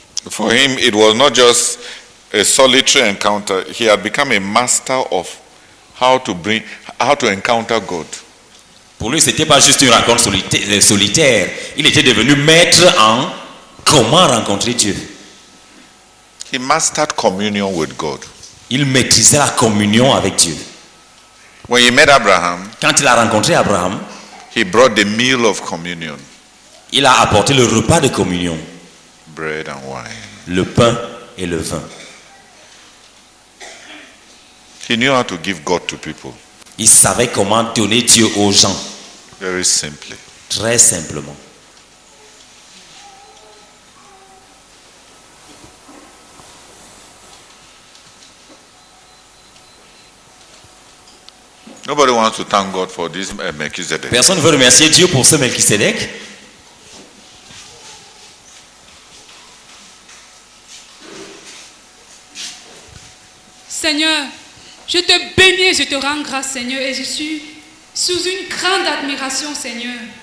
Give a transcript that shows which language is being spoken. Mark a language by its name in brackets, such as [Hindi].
[English] For him, it was not just a solitary encounter. He had become a master of how to encounter God. [French] Pour lui, c'était pas juste une rencontre solitaire. Il était devenu maître en comment rencontrer Dieu. [English] He mastered communion with God. [French] Il maîtrisait la communion avec Dieu. [English] When he met Abraham, [French] quand il a rencontré Abraham, [English] he brought the meal of communion. [French] Il a apporté le repas de communion. [English] Bread and wine. [French] Le pain et le vin. [English] He knew how to give God to people. [French] Il savait comment donner Dieu aux gens. [English] Very simply. [French] Très simplement. [English] Nobody wants to thank God for this Melchizedek. [French] Personne ne veut remercier Dieu pour ce Melchizedek. Seigneur, je te bénis et je te rends grâce, Seigneur, et je suis sous une grande admiration, Seigneur.